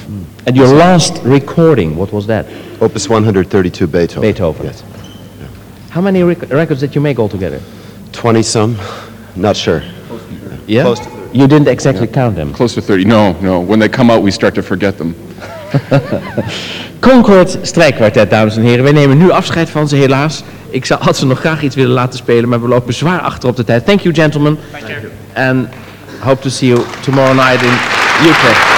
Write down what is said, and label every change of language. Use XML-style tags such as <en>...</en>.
<en>Mm. And your last recording, what was that? Opus 132, Beethoven. Beethoven. Yes. How many records did you make altogether? 20-some. Not sure. Yeah? Close to 30. You didn't exactly count them? Close to 30. No, no. When they come out, we start to forget them.</en> <nl>Concord Strijkkwartet, dames en heren. Wij nemen nu afscheid van ze, helaas. Ik had ze nog graag iets willen laten spelen, maar we lopen zwaar achter op de tijd.</nl> <en>Thank you, gentlemen. Thank you. And hope to see you tomorrow night in UK.</en>